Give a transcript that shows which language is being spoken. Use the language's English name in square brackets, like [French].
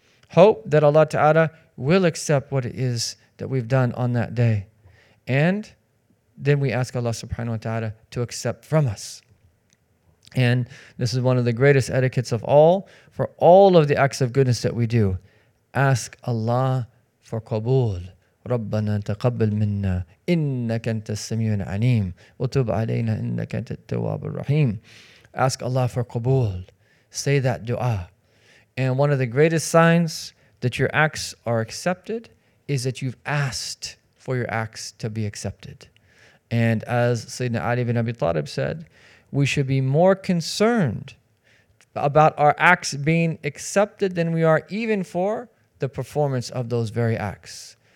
[English] Hope that Allah Ta'ala will accept what it is that we've done on that day. And then we ask Allah Subhanahu wa Ta'ala to accept from us. And this is one of the greatest etiquettes of all, for all of the acts of goodness that we do. Ask Allah for qabool, [Arabic] ربنا تقبل منا إنك أنت السميع العليم وتب علينا إنك أنت التواب الرحيم. [English] Ask Allah for qabool. Say that dua. And one of the greatest signs that your acts are accepted is that you've asked for your acts to be accepted. And as Sayyidina Ali ibn Abi Talib said, we should be more concerned about our acts being accepted than we are even for the performance of those very acts.